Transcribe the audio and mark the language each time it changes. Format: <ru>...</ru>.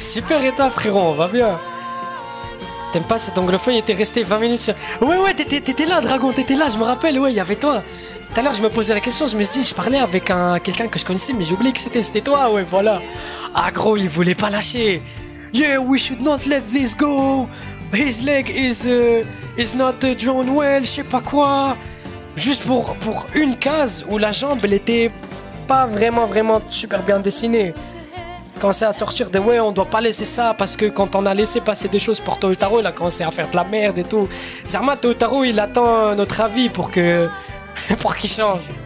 <fr>Super état, frérot, on va bien. T'aimes pas cet anglophone, il était resté 20 minutes sur... Ouais, t'étais là, Dragon, t'étais là, je me rappelle, ouais, il y avait toi. Tout à l'heure, je me posais la question, je me suis dit, je parlais avec quelqu'un que je connaissais, mais j'ai oublié que c'était toi, ouais, voilà. Ah, gros, il voulait pas lâcher.</fr> <en>Yeah, we should not let this go. His leg is not drawn well,</en> <fr>je sais pas quoi. Juste pour une case où la jambe, elle était pas vraiment, vraiment super bien dessinée. Quand c'est à sortir de « Ouais, on doit pas laisser ça » parce que quand on a laissé passer des choses pour Toyotaro, il a commencé à faire de la merde et tout. Zerma, Toyotaro, il attend notre avis pour que pour qu'il change.</fr>